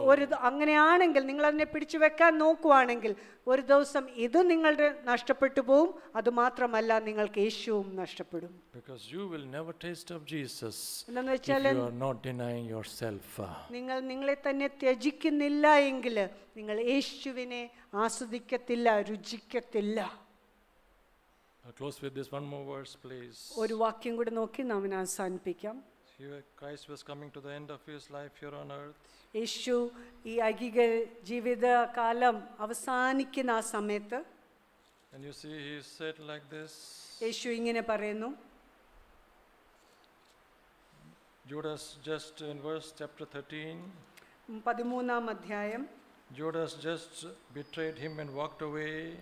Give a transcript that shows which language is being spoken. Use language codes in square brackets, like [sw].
[ml] ഒരു അങ്ങനെയാണെങ്കിൽ നിങ്ങൾ അതിനെ പിടിച്ചു വെക്കാൻ നോക്കുവാണെങ്കിൽ ഒരു ദിവസം ഇത് നിങ്ങളുടെ നഷ്ടപ്പെട്ടു പോവും. അതുമാത്രമല്ല, നിങ്ങൾക്ക് യേശുവും നഷ്ടപ്പെടും. [en] Because you will never taste of Jesus [ml] എന്ന് വെച്ചാൽ, [en] if you are not denying yourself, [ml] നിങ്ങൾ നിങ്ങളെ തന്നെ ത്യജിക്കുന്നില്ല എങ്കിൽ നിങ്ങൾ യേശുവിനെ ആസ്വദിക്കത്തില്ല, രുചിക്കത്തില്ല. [en] Close with this one more verse, please. [ml] ഒരു വാക്യം കൂടി നോക്കി നാം ഇനി അവസാനിപ്പിക്കാം. [en] Christ was coming to the end of his life here on earth. [ml] യേശു ഈ ഐഹിക ജീവിത കാലം അവസാനിക്കുന്ന ആ സമയത്ത്, [en] and you see, he said like this. [ml] യേശു ഇങ്ങനെ പറയുന്നു. [en] Judas, just in verse chapter 13. [ml] 13-ാം അധ്യായം. [en] Judas just betrayed him and walked away.